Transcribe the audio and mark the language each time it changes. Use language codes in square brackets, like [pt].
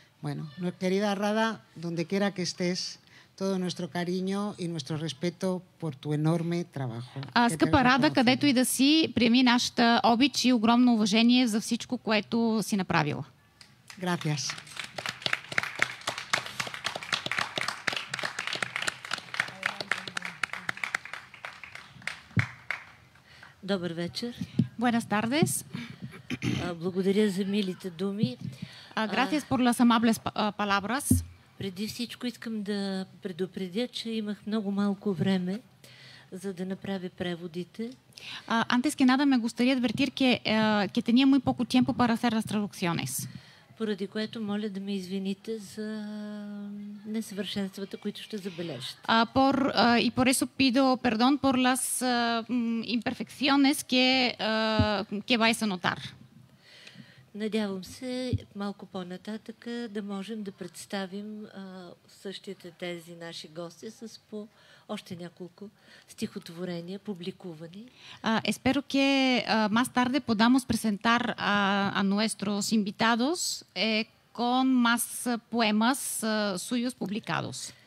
[es] Bueno, querida Rada, donde quiera que estés, todo nuestro cariño y nuestro respeto por tu enorme trabajo. [bg] Скъпа Рада, където и да си, приеми нашата обич и огромно уважение за всичко, което си направила. [es] Gracias. [bg] Добър вечер. [es] Buenas tardes. [bg] Благодаря за милите думи. [es] Gracias por las amables palabras. [bg] Преди всичко искам да предупредя, че имах много малко време, за да направя преводите. [es] Antes que nada me gustaría advertir que tenía muy poco tiempo para hacer las traducciones. [bg] Поради което моля да ме извините за несъвършенствата, които ще забележите. [es] Y por eso pido perdón por las imperfecciones que vais a notar. [bg] Надявам се малко по-нататък да можем да представим същите тези наши гости с по още няколко стихотворения, публикувани. [es] Espero que más tarde podamos presentar a nuestros invitados con más poemas suyos publicados.